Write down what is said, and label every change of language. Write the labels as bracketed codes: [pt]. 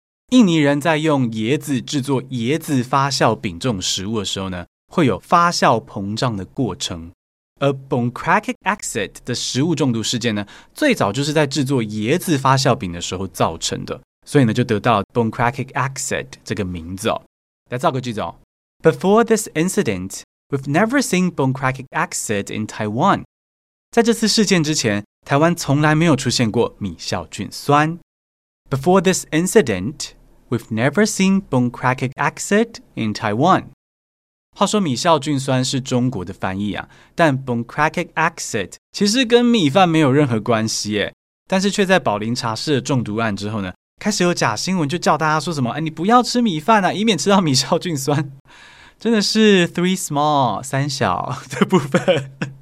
[zh] 印尼人在用椰子制作椰子发酵饼这种食物的时候呢，会有发酵膨胀的过程。而 Bunkrakek acid 的食物中毒事件呢，最早就是在制作椰子发酵饼的时候造成的，所以呢就得到 Bunkrakek acid 这个名字哦。来造个句子哦。 [en] Before this incident, we've never seen Bunkrakek acid in Taiwan. [zh] 在这次事件之前，台湾从来没有出现过米酵菌酸。 [en] Before this incident, we've never seen Bunkrakek acid in Taiwan. [zh] 话说米酵菌酸是中国的翻译啊，但 Bunkrakek acid 其实跟米饭没有任何关系耶。但是却在宝林茶室的中毒案之后呢，开始有假新闻就叫大家说什么，你不要吃米饭啊，以免吃到米酵菌酸。真的是 [en] 3 small [zh] 3 小的部分。